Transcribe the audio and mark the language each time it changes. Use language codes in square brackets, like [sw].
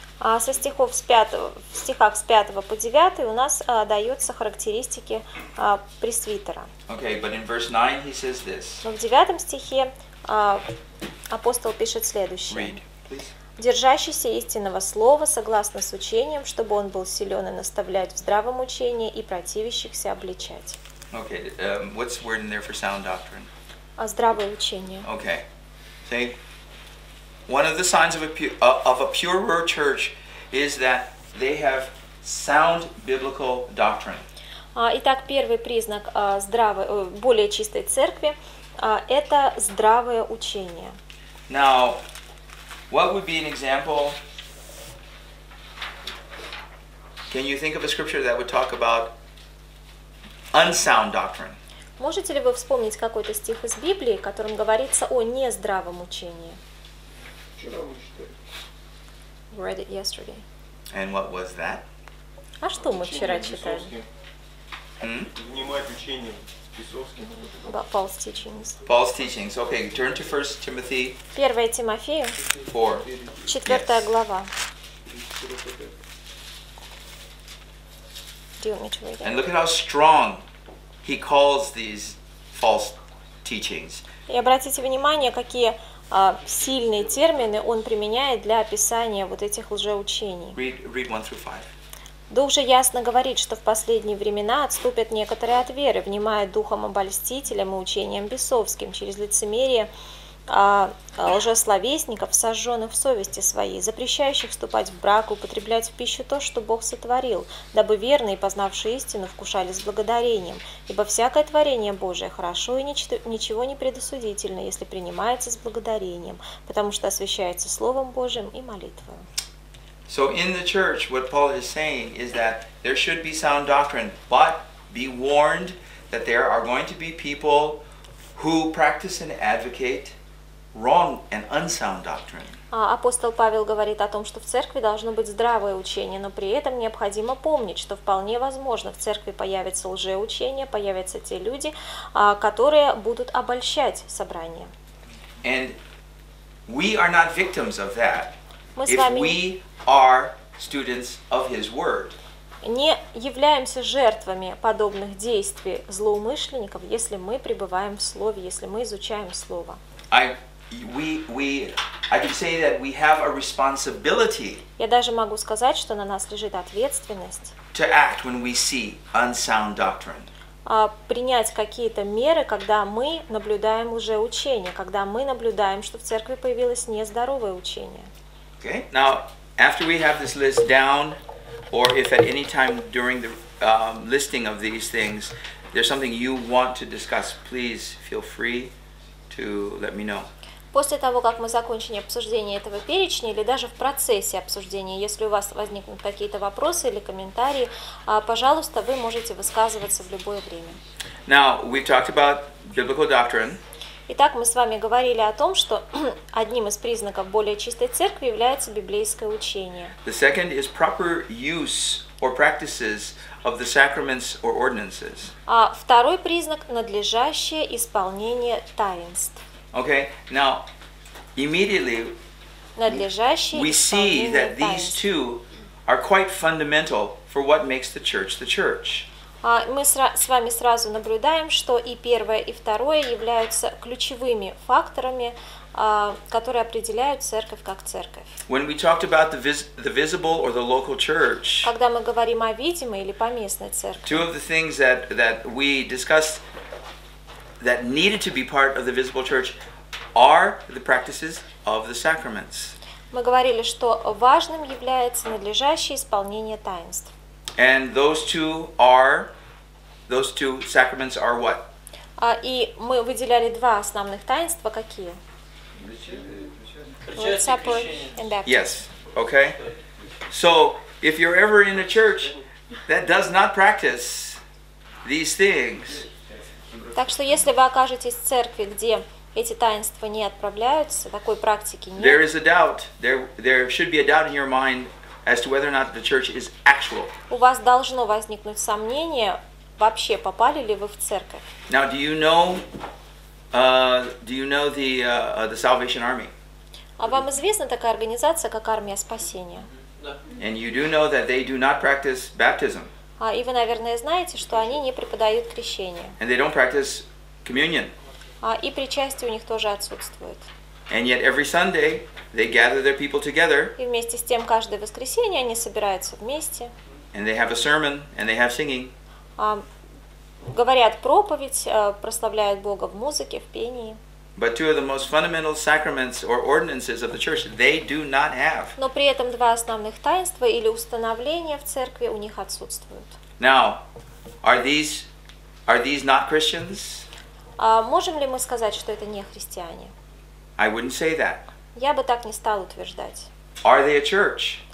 [ru] Со стихов в стихах с 5 по 9 у нас даются характеристики пресвитера. [en] Okay, but in verse 9 he says this. [ru] Но в 9 стихе апостол пишет следующее. [en] Read, please. [ru] Держащийся истинного слова согласно с учением, чтобы он был силен и наставлять в здравом учении и противящихся обличать. [en] Okay, what's the word in there for sound doctrine? [ru] Здравое учение. [en] Okay. See? One of the signs of a purer church is that they have sound biblical doctrine. [ru] Итак, первый признак здравой, более чистой церкви – это здравое учение. [en] Now, what would be an example? Can you think of a scripture that would talk about unsound doctrine? [ru] Можете ли вы вспомнить какой-то стих из Библии, в котором говорится о нездравом учении? Вчера мы читали. [en] Read it yesterday. And what was that? [ru] А что мы вчера читали? Внимать учение Бесовским. [en] About false teachings. False teachings. Okay, turn to 1 Timothy. [ru] 1 Тимофею. [en] 4. [ru] 4 глава. [en] Do you want me to read it? And look at how strong he calls these false teachings. [ru] И обратите внимание, какие сильные термины он применяет для описания вот этих лжеучений. [en] Read 1 through 5. [ru] Дух же ясно говорит, что в последние времена отступят некоторые от веры, внимая духом обольстителям и учением бесовским, через лицемерие лжесловесников, сожженных в совести своей, запрещающих вступать в брак, употреблять в пищу то, что Бог сотворил, дабы верные, познавшие истину, вкушали с благодарением. Ибо всякое творение Божие хорошо и ничего не предосудительно, если принимается с благодарением, потому что освящается Словом Божиим и молитвою. [en] So in the church, what Paul is saying is that there should be sound doctrine, but be warned that there are going to be people who practice and advocate wrong and unsound doctrine. [ru] Апостол Павел говорит о том, что в церкви должно быть здравое учение, но при этом необходимо помнить, что вполне возможно в церкви появится лжеучение, появятся те люди, которые будут обольщать собрание. [en] And we are not victims of that. [ru] Мы с вами [en] if we are students of His Word. [ru] Не являемся жертвами подобных действий злоумышленников, если мы пребываем в Слове, если мы изучаем Слово. [en] I can say that we have a responsibility. [ru] Я даже могу сказать, что на нас лежит ответственность. [en] To act when we see unsound doctrine. [ru] Принять какие-то меры, когда мы наблюдаем лжеучение, когда мы наблюдаем, что в церкви появилось нездоровое учение. [en] Okay. Now, after we have this list down, or if at any time during the listing of these things there's something you want to discuss, please feel free to let me know. [ru] После того, как мы закончим обсуждение этого перечня, или даже в процессе обсуждения, если у вас возникнут какие-то вопросы или комментарии, пожалуйста, вы можете высказываться в любое время. [en] Now, we've talked about biblical doctrine. [ru] Итак, мы с вами говорили о том, что одним из признаков более чистой церкви является библейское учение. [en] The second is proper use or practices of the sacraments or ordinances. [ru] А второй признак – надлежащее исполнение таинств. [en] Okay, now, immediately, we see that these two are quite fundamental for what makes the church the church. [ru] Мы с вами сразу наблюдаем, что и первое, и второе являются ключевыми факторами, которые определяют церковь как церковь. [en] When we talked about the visible or the local church, [ru] когда мы говорим о видимой или поместной церкви, [en] two of the things that we discussed that needed to be part of the visible church are the practices of the sacraments. [ru] Мы говорили, что важным является надлежащее исполнение таинств. [en] And those two sacraments are what? [ru] И мы выделяли два основных таинства. Какие? [en] Yes. Okay. So if you're ever in a church that does not practice these things. [ru] Так что если вы окажетесь в церкви, где эти таинства не отправляются, такой практики нет. [en] There is a doubt. There should be a doubt in your mind as to whether or not the church is actual. [ru] У вас должно возникнуть сомнение, вообще попали ли вы в церковь. [en] Now, do you know the Salvation Army? [ru] А вам известна такая организация, как Армия Спасения? [en] And you do know that they do not practice baptism. [ru] И вы, наверное, знаете, что они не преподают крещение. [en] And they don't practice communion. [ru] И причастие у них тоже отсутствует. [en] And yet every Sunday they gather their people together. [ru] И вместе с тем каждое воскресенье они собираются вместе. [en] And they have a sermon and they have singing. [ru] Говорят проповедь, прославляют Бога в музыке, в пении. [en] But two of the most fundamental sacraments or ordinances of the church they do not have. [ru] Но при этом два основных таинства или установления в церкви у них отсутствуют. [en] Now, Are these not Christians? [ru] Можем ли мы сказать, что это не христиане? [en] I wouldn't say that. [ru] Я бы так не стал утверждать. [en] Are they a church?